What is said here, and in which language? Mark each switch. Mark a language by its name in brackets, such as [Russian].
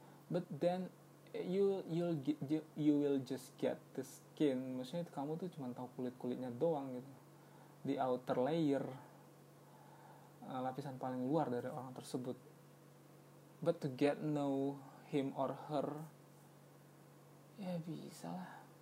[English] But then you will just get the skin. [Indonesian] Maksudnya itu kamu tuh cuma tahu kulit-kulitnya doang gitu. [English] The outer layer, [Indonesian] lapisan paling luar dari orang tersebut. [English] But to get know him or her, [Indonesian] ya bisa lah.